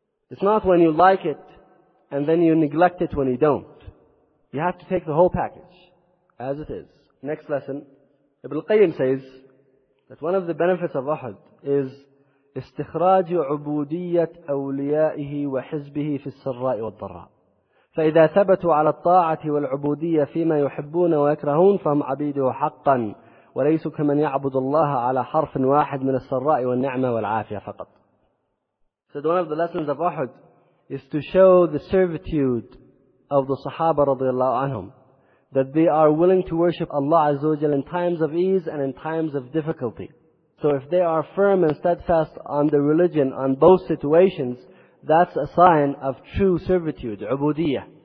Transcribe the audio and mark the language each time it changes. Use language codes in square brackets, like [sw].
[en] It's not when you like it and then you neglect it when you don't. You have to take the whole package as it is. Next lesson. Ibn al-Qayyim says that one of the benefits of Uhud is [ar] استخراج عبودية أوليائه وحزبه في السراء والضراء. فإذا ثبتوا على الطاعة والعبودية فيما يحبون ويكرهون فهم عبيده حقا وليسوا كمن يعبد الله على حرف واحد من السراء والنعمة والعافية فقط. [en] Said one of the lessons of Uhud is to show the servitude of the Sahaba radiallahu anhum, that they are willing to worship Allah Azza wa Jalla in times of ease and in times of difficulty. So if they are firm and steadfast on the religion, on both situations, that's a sign of true servitude, ubudiyyah.